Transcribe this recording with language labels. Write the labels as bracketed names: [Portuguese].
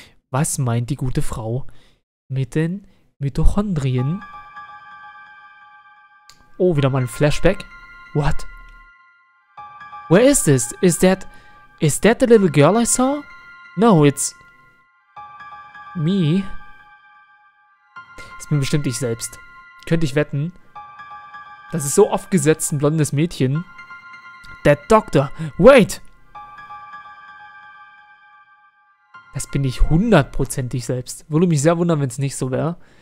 [German] Was meint die gute Frau mit den Mitochondrien? Oh, wieder mal ein Flashback. [English] What? Where is this? Is that the little girl I saw? No, it's... me. [German] Das bin bestimmt ich selbst. Könnte ich wetten. Das ist so oft gesetzt, ein blondes Mädchen. [English] That doctor. Wait. [German] Das bin ich hundertprozentig selbst. Würde mich sehr wundern, wenn es nicht so wäre.